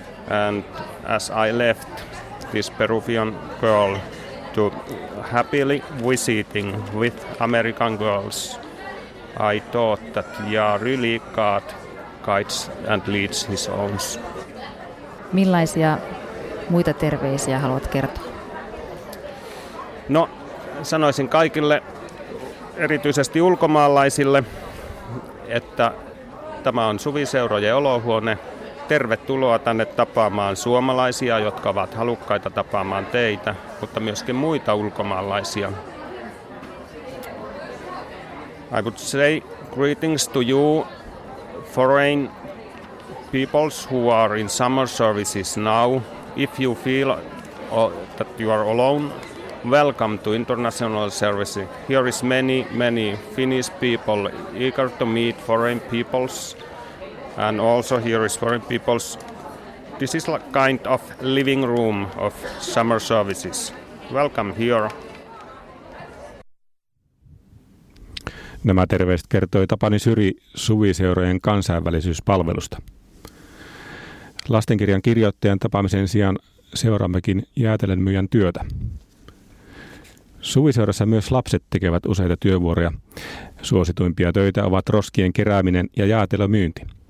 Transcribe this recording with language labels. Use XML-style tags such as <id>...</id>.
<en>And as I left this Peruvian girl to happily visiting with American girls, I thought that yeah, really God guides and leads his own.</en> <fi>Millaisia muita terveisiä haluat kertoa? No, sanoisin kaikille, erityisesti ulkomaalaisille, että tämä on Suviseurojen olohuone. Tervetuloa tänne tapaamaan suomalaisia, jotka ovat halukkaita tapaamaan teitä, mutta myöskin muita ulkomaalaisia.</fi> <en>I would say greetings to you, foreign peoples who are in summer services now. If you feel that you are alone, welcome to international services. Here is many Finnish people eager to meet foreign peoples. And also here is foreign peoples. This is like kind of living room of summer services. Welcome here.</en> <fi>Nämä terveiset kertoi Tapani Syri Suviseurojen kansainvälisyyspalvelusta. Lastenkirjan kirjoittajan tapaamisen sijaan seuraammekin jäätelönmyyjän työtä. Suviseurassa myös lapset tekevät useita työvuoroja. Suosituimpia töitä ovat roskien kerääminen ja jäätelömyynti.</fi>